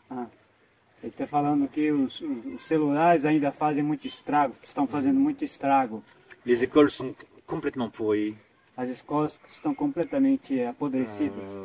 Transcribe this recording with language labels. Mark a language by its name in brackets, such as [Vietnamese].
[Portuguese] Ah. Il était falando que os celulares ainda fazem muito estrago, estão fazendo muito estrago. [French] Les écoles sont complètement pourries. [Portuguese] As escolas estão completamente apodrecidas.